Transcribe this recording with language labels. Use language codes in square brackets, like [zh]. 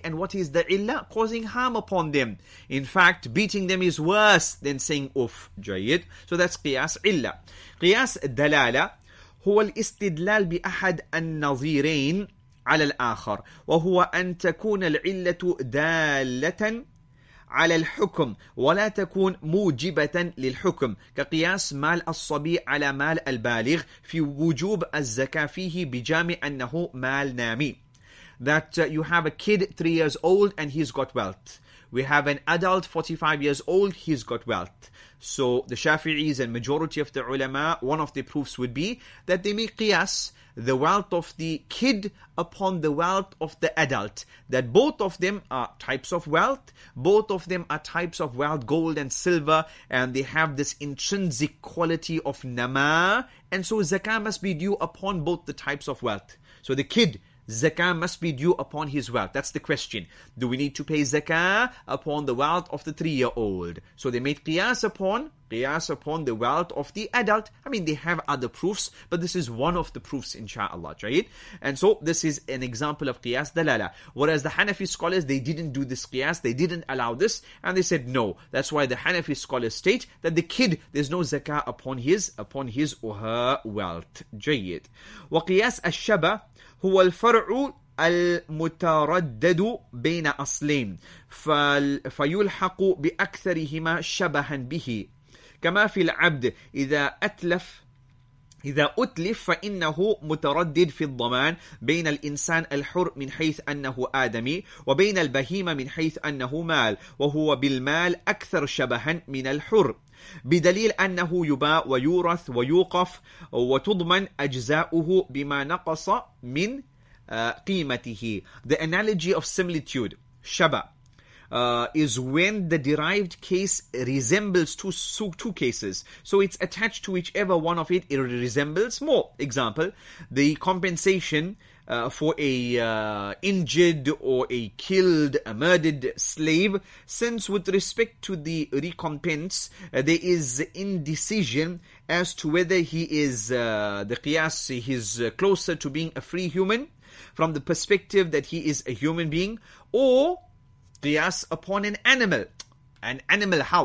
[en] And what is the illa? Causing harm upon them. In fact, beating them is worse than saying uff. Jayid. So that's qiyas illa. [ar] Qiyas dalala, huwa al-istidlal bi ahad an-nazirain على الآخر وهو أن تكون العلة دالة على الحكم ولا تكون موجبة للحكم كقياس مال الصبي على مال البالغ في وجوب الزكاة فيه بجامع أنه مال نامي. [en] That you have a kid 3 years old and he's got wealth. We have an adult 45 years old, he's got wealth. So the Shafi'is and majority of the ulama, one of the proofs would be that they make qiyas the wealth of the kid upon the wealth of the adult. That both of them are types of wealth. Both of them are types of wealth, gold and silver. And they have this intrinsic quality of nama. And so zakah must be due upon both the types of wealth. So the kid, zakah must be due upon his wealth. That's the question. Do we need to pay zakah upon the wealth of the three-year-old? So they made qiyas upon the wealth of the adult. I mean, they have other proofs, but this is one of the proofs, insha'Allah. Right? And so this is an example of qiyas dalala. Whereas the Hanafi scholars, they didn't do this qiyas. They didn't allow this. And they said no. That's why the Hanafi scholars state that the kid, there's no zakah upon his or her wealth. [ar] Jayyid. Wa qiyas ash-shaba هو الفرع المتردد بين أصلين فيلحق بأكثرهما شبها به كما في العبد إذا أتلف فإنه متردد في الضمان بين الإنسان الحر من حيث أنه آدمي وبين البهيمة من حيث أنه مال وهو بالمال أكثر شبها من الحر بدليل أنه يباع ويورث ويوقف وتضمن أجزاؤه بما نقص من قيمته. [en] The analogy of similitude, shaba, is when the derived case resembles two cases. So it's attached to whichever one of it resembles more. Example, the compensation for an injured or a killed, a murdered slave, since with respect to the recompense, there is indecision as to whether he is, he's closer to being a free human from the perspective that he is a human being, or qiyas upon an animal. An animal, how?